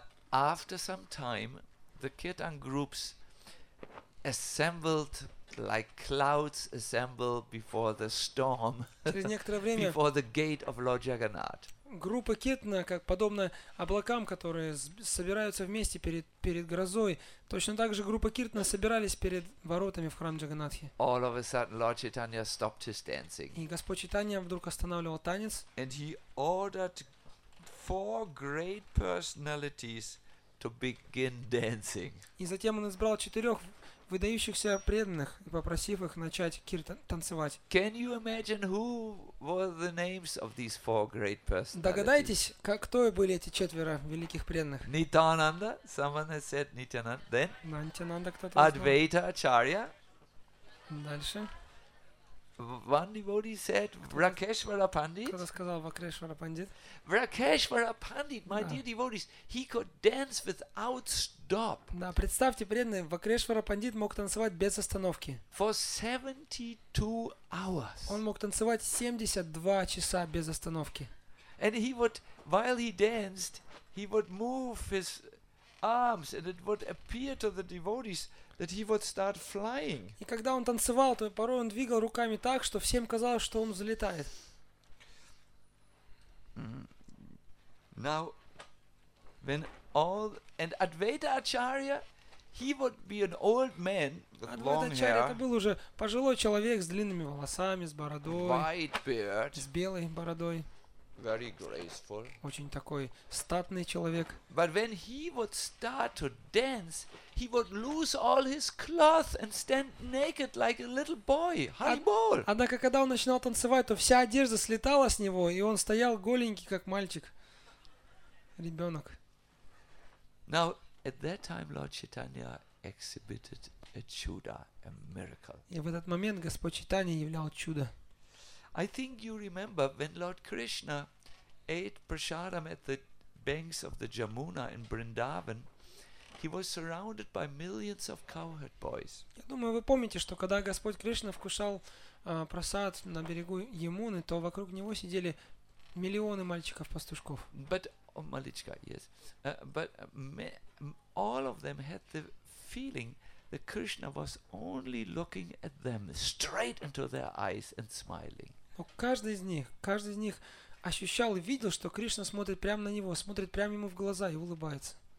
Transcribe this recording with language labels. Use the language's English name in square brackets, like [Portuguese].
[English] After some time, the Kirtan groups assembled like clouds assemble before the storm, before the gate of Lord Jagannath. [Russian] Группа Кетна, как подобно облакам, которые собираются вместе перед грозой, точно так же группа Киртна собирались перед воротами в храм Джаганатхи. [English] All of a sudden, Lord Chaitanya stopped his dancing. [Russian] И Господь Чайтанья вдруг останавливал танец. [English] And he ordered 4 great personalities to begin dancing. [Russian] И затем он избрал 4 выдающихся преданных и попросив их начать танцевать. [English] Can you imagine who were the names of these 4 great personalities? [Russian] Догадайтесь, кто были эти 4 великих преданных? [English] Nityananda, someone has said Nityananda. Then? [Russian] Nityananda, кто-то. [English] Advaita Acharya. [Russian] Дальше. [English] One devotee said Vrakeshvara Pandit. [Russian] Кто-то сказал Vrakeshvara Pandit. [English] Vrakeshvara Pandit, my dear devotees, he could dance without stop. [Russian] Да, представьте, преданные, Vrakeshvara Pandit мог танцевать без остановки. [English] For 72 hours. [Russian] Он мог танцевать 72 часа без остановки. [English] And he would, while he danced, he would move his arms, and it would appear to the devotees that he would start flying. [Russian] И когда он танцевал, то порой он двигал руками так, что всем казалось, что он взлетает. [English] Now, when all and Advaita Acharya, he would be an old man with long hair. [Russian] Advaita Acharya это был уже пожилой человек с длинными волосами, с бородой. [English] White beard. [Russian] С белой бородой. [English] Very graceful. [Russian] Очень такой статный человек. [English] But when he would start to dance, he would lose all his cloth and stand naked like a little boy. Харибол! [Russian] Однако, когда он начинал танцевать, то вся одежда слетала с него, и он стоял голенький, как мальчик, ребенок. [English] Now, at that time, Lord Chaitanya exhibited a chuda, a miracle. [Russian] И в этот момент Господь Чайтанья являл чудо. [English] I think you remember when Lord Krishna ate prasadam at the banks of the Jamuna in Vrindavan, he was surrounded by millions of cowherd boys. [Russian] Я думаю, вы помните, что когда Господь Кришна вкушал прасад на берегу Ямуны, то вокруг него сидели миллионы мальчиков-пастушков. [English] But мальчика, yes. But all of them had the feeling that Krishna was only looking at them straight into their eyes and smiling. [Russian] Но каждый из них ощущал и видел, что Кришна смотрит прямо на него, смотрит прямо ему в глаза и улыбается.